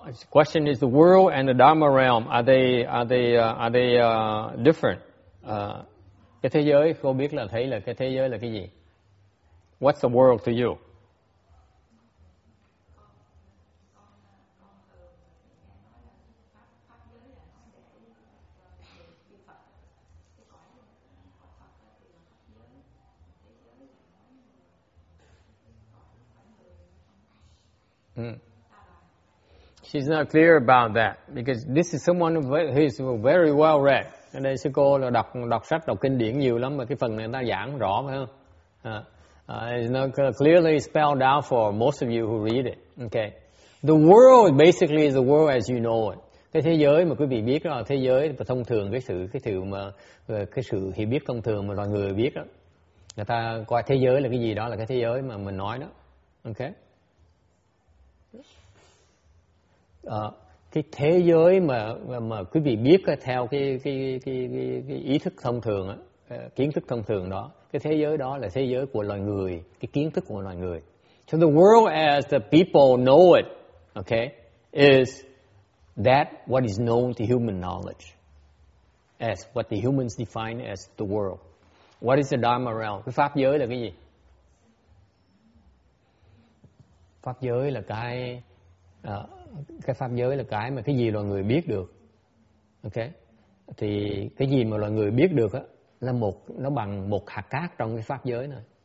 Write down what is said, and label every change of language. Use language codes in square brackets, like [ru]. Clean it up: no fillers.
[en] Question is the world and the Dharma realm, are they different? [vi] Cái thế giới cô biết là thấy là cái thế giới là cái gì? [en] What's the world to you? She's not clear about that because this is someone who is very well read. And then she goes, [vi] đọc sách, đọc kinh điển nhiều lắm, mà cái phần này ta giảng rõ phải không? [en] It's not clearly spelled out for most of you who read it. Okay. The world basically is the world as you know it. [vi] Cái thế giới mà quý vị biết đó là thế giới mà thông thường cái sự hiểu biết thông thường mà loài người biết đó. Người ta coi thế giới là cái gì đó là cái thế giới mà mình nói đó. Okay. Cái thế giới mà quý vị biết theo cái ý thức thông thường á, kiến thức thông thường đó, cái thế giới đó là thế giới của loài người, cái kiến thức của loài người. [en] So the world as the people know it, okay, is that what is known to human knowledge, as what the humans define as the world. What is the Dharma realm? [vi] Cái pháp giới là cái gì? Pháp giới là cái pháp giới là cái mà cái gì loài người biết được. Ok. Thì cái gì mà loài người biết được á là một, nó bằng một hạt cát trong cái pháp giới này.